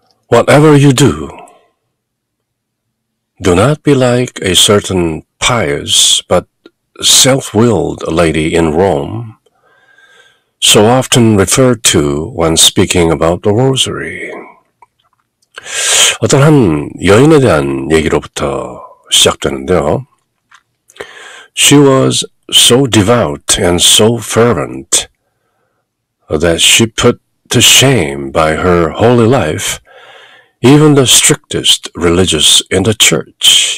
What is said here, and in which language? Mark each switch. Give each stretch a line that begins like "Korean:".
English: Whatever you do, do not be like a certain pious but self-willed lady in Rome, so often referred to when speaking about the rosary.
Korean: 어떤 한 여인에 대한 얘기로부터 시작되는데요.
English: She was so devout and so fervent that she put to shame by her holy life even the strictest religious in the church.